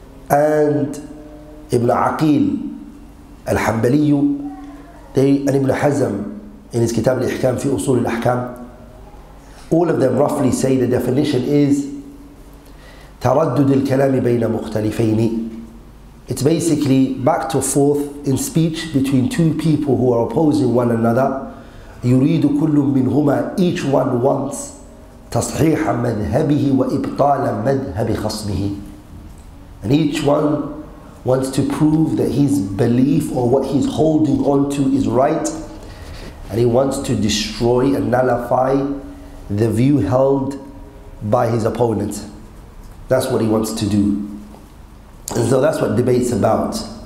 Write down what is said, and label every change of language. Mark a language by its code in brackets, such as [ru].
[en] and Ibn Aqil al-Hanbaliyyu, and Ibn Hazm in his Kitab al-Ihkam fi Usul al-Ahkam, all of them roughly say the definition is [ar] تردد الكلام بين مختلفين. [en] It's basically back to forth in speech between two people who are opposing one another. [ar] يريد كل منهما, [en] each one wants [ar] تصحيح مذهبه وإبطال مذهب خصمه. [en] And each one wants to prove that his belief or what he's holding on to is right, and he wants to destroy and nullify the view held by his opponent. That's what he wants to do. And so that's what debate's about.